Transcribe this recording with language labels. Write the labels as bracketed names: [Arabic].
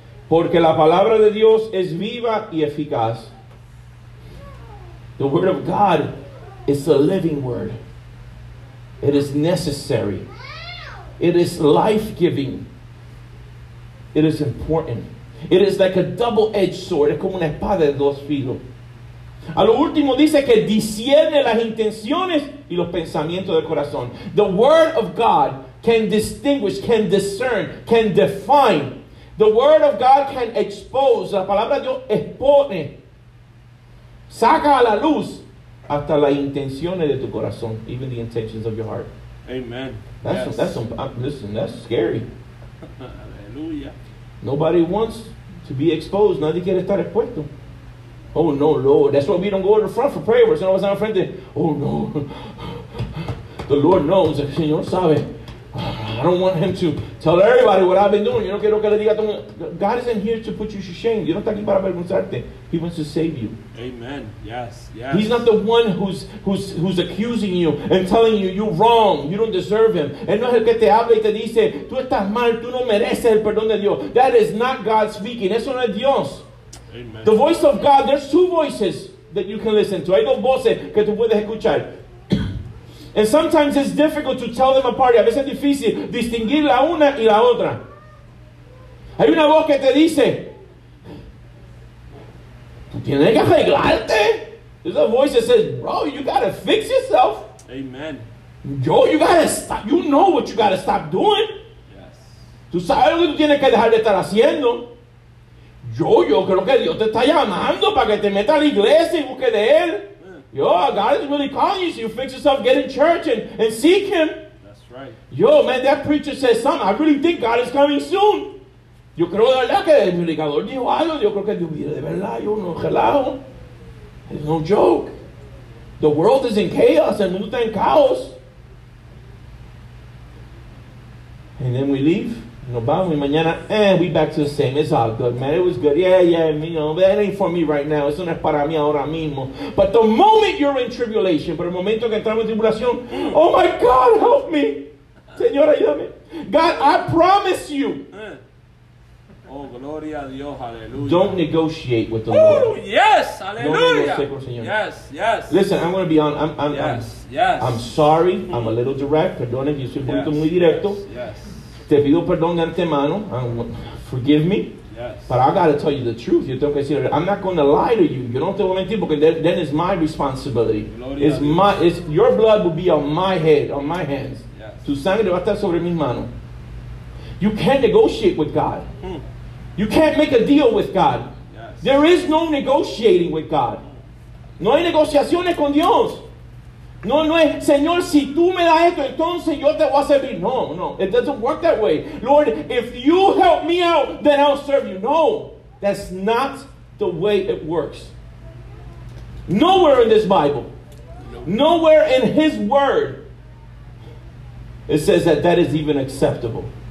[Spanish] Porque la palabra de Dios es viva y eficaz. [English] The word of God is a living word. It is necessary. It is life-giving. It is important. It is like a double-edged sword. [Spanish] Es como una espada de dos filos. A lo último dice que discierne las intenciones y los pensamientos del corazón. [English] The word of God can distinguish, can discern, can define. The word of God can expose. [Spanish] La palabra de Dios expone. Saca a la luz hasta las intenciones de tu corazón, [English] even the intentions of your heart. Amen. That's yes. That's scary. Hallelujah. Nobody wants to be exposed. [Spanish] Nadie quiere estar expuesto. [English] Oh no, Lord. That's why we don't go to the front for prayer. We're always on the front there. Oh no. The Lord knows. [Spanish] El Señor sabe. [English] I don't want him to tell everybody what I've been doing. [Spanish] Yo no quiero que le diga todo. [English] God isn't here to put you to shame. [Spanish] Yo no está aquí para avergonzarte. [English] He wants to save you. Amen. Yes. Yes. He's not the one who's accusing you and telling you you're wrong. You don't deserve him. [Spanish] Él no es el que te habla y te dice, tú estás mal, tú no mereces el perdón de Dios. [English] That is not God speaking. [Spanish] Eso no es Dios. [English] Amen. The voice of God, there's two voices that you can listen to. [Spanish] Hay dos voces que tú puedes escuchar. [English] And sometimes it's difficult to tell them apart. [Spanish] A veces es difícil distinguir la una y la otra. Hay una voz que te dice, tú tienes que arreglarte. [English] There's a voice that says, bro, you gotta fix yourself. Amen. Yo, you gotta stop. You know what you gotta stop doing. Yes. [Spanish] Tú sabes lo que tú tienes que dejar de estar haciendo. Yo creo que Dios te está llamando para que te meta a la iglesia y busque de él. [English] Yo, God is really calling you, so you fix yourself, get in church and seek him. That's right. Yo, man, that preacher says something. I really think God is coming soon. [Spanish] Yo creo de verdad que el predicador dijo algo. Yo creo que Dios viene de verdad. Yo no relajo. [English] It's no joke. The world is in chaos. [Spanish] El mundo está en caos. [English] And then we leave. [Spanish] No vamos y mañana, [English] we back to the same. It's all good, man. It was good. Yeah, me, you know, that ain't for me right now. [Spanish] Eso no es para mí ahora mismo. [English] But the moment you're in tribulation, [Spanish] por el momento que entramos en tribulación, [English] oh my God, help me. [Spanish] Señor, ayúdame. [English] God, I promise you. [Spanish] Oh, gloria a Dios, aleluya. [English] Don't negotiate with the Lord. Oh, yes, aleluya. Don't negotiate [Spanish] con el Señor. [English] Yes, yes. Listen, I'm going to be on. I'm sorry. I'm a little direct. [Spanish] Perdone, yo soy un poquito muy directo. [English] Yes. [Spanish] Te pido perdón de antemano. [English] Forgive me. Yes. But I got to tell you the truth. You [Spanish] tengo que decir, [English] I'm not going to lie to you. You don't tell me anything because then it's my responsibility. [Spanish] Gloria [English] it's my. It's your blood will be on my head, on my hands. Yes. [Spanish] Tu sangre va a estar sobre mis manos. [English] You can't negotiate with God. You can't make a deal with God. Yes. There is no negotiating with God. [Spanish] No hay negociaciones con Dios. No es, Señor, si tú me das esto, entonces yo te voy a servir. [English] No, it doesn't work that way. Lord, if you help me out, then I'll serve you. No, that's not the way it works. Nowhere in this Bible, nowhere in His Word, it says that that is even acceptable.